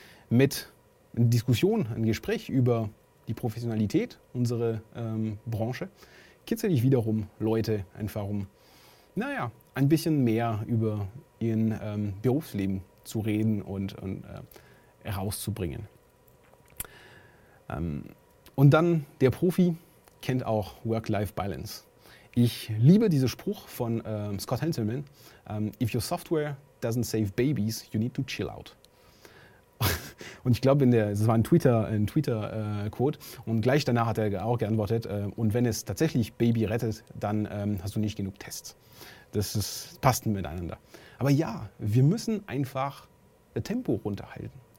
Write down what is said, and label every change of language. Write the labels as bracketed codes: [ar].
[de] Mit einer Diskussion, einem Gespräch über die Professionalität unserer Branche, kitzel ich wiederum Leute einfach um, ein bisschen mehr über ihren Berufsleben zu reden und herauszubringen. Und dann, der Profi kennt auch Work-Life-Balance. Ich liebe diesen Spruch von Scott Hanselman. [en] If your software doesn't save babies, you need to chill out. [de] Und ich glaube, das war ein Twitter-Quote. Und gleich danach hat er auch geantwortet, und wenn es tatsächlich Baby rettet, dann hast du nicht genug Tests. Passt miteinander. Aber ja, wir müssen einfach Tempo runterhalten.